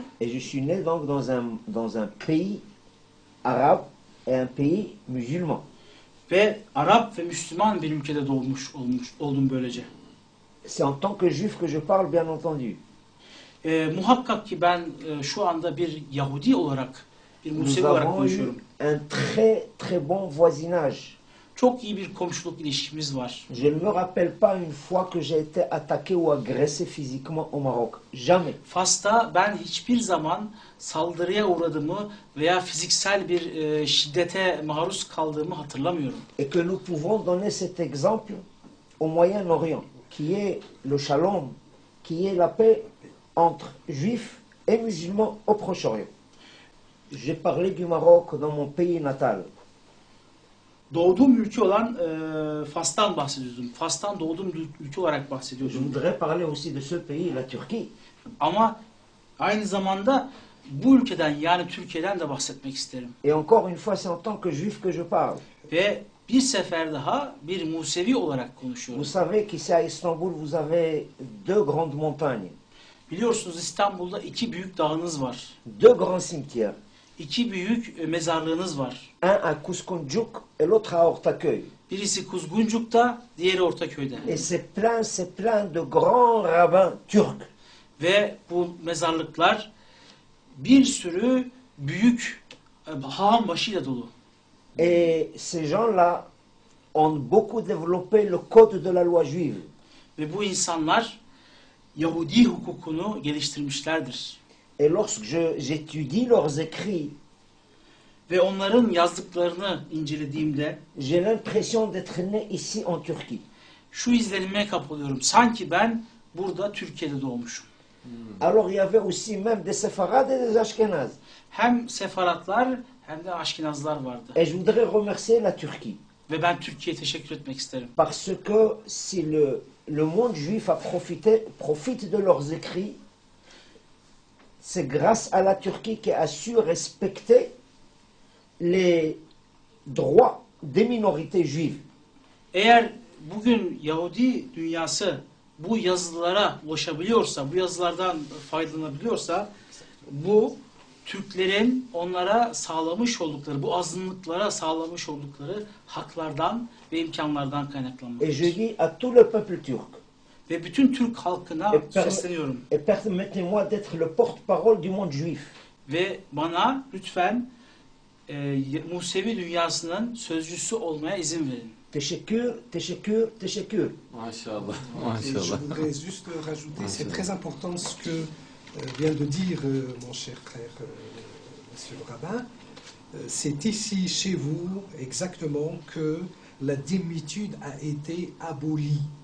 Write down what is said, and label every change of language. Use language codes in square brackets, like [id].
[fr] Et je suis né donc dans un pays arabe et un pays musulman. [tr] Ve Arap ve Müslüman bir ülkede oldum böylece. [fr] C'est en tant que juif que je parle bien entendu. [tr] Muhakkak ki ben şu anda bir Yahudi olarak, bir Musevi olarak konuşuyorum. [fr] Un très très bon voisinage. [tr] Çok iyi bir komşuluk ilişkimiz var. [fr] Je ne me rappelle pas une fois que j'ai été attaqué ou agressé physiquement au Maroc. Jamais. [tr] Fas'ta ben hiçbir zaman saldırıya uğradığımı veya fiziksel bir şiddete maruz kaldığımı hatırlamıyorum. [fr] Et que nous pouvons donner cet exemple au Moyen-Orient, qui est le shalom, qui est la paix entre juifs et musulmans au Proche-Orient. J'ai parlé du Maroc dans mon pays natal. [tr] Doğduğum ülke olan Fas'tan bahsediyordum. Fas'tan doğduğum ülke olarak bahsediyordum. [fr] Je voudrais parler aussi de ce pays, la Turquie. [tr] Ama aynı zamanda bu ülkeden yani Türkiye'den de bahsetmek isterim. [fr] Et encore une fois, c'est en tant que juif que je parle. [tr] Ve bir sefer daha bir Musevi olarak konuşuyorum. [fr] Vous savez qu'ici à Istanbul, vous avez deux grandes montagnes. [tr] Biliyorsunuz İstanbul'da iki büyük dağınız var. [fr] Deux grands cimetières. [tr] İki büyük mezarlığınız var. [fr] Un à Kuzguncuk et l'autre à Ortaköy. [tr] Birisi Kuzguncuk'ta, diğeri Ortaköy'de. [fr] Et c'est plein de grands rabbins turcs. [tr] Ve bu mezarlıklar bir sürü büyük haham başıyla dolu. [fr] Et ces gens-là ont beaucoup développé le code de la loi juive. [tr] Ve bu insanlar Yahudi hukukunu geliştirmişlerdir. [fr] Et lorsque j'étudie leurs écrits, [tr] ve onların yazdıklarını incelediğimde, [fr] j'ai l'impression d'être né ici en Turquie. [tr] Şu izlenime kapılıyorum. Sanki ben burada Türkiye'de doğmuşum. [fr] Alors il y avait aussi même des Sefarad et des Ashkenaz. [tr] Hem Sefaratlar hem de Ashkenazlar vardı. [fr] Et je voudrais remercier la Turquie. [tr] Ve ben Türkiye'ye teşekkür etmek isterim. [fr] Parce que si le monde juif profite de leurs écrits, c'est grâce à la Turquie qui a su respecter les droits des minorités juives. [tr] Eğer bugün Yahudi dünyası bu yazılara ulaşabiliyorsa, bu yazılardan faydalanabiliyorsa, bu Türklerin onlara sağlamış oldukları, bu azınlıklara sağlamış oldukları haklardan ve imkanlardan kaynaklanmaktır. [fr] Et je dis à tout le peuple turc. [tr] Ve bütün Türk halkına sesleniyorum. [fr] Et permettez-moi d'être le porte-parole du monde juif. [tr] Ve bana lütfen Musevi dünyasının sözcüsü olmaya izin verin. Teşekkür, teşekkür, teşekkür. Maşallah, maşallah. [fr] Je voudrais juste rajouter, c'est très important ce que vient de dire mon cher frère, monsieur le rabbin. C'est ici, chez vous, exactement, que la démitude a été abolie.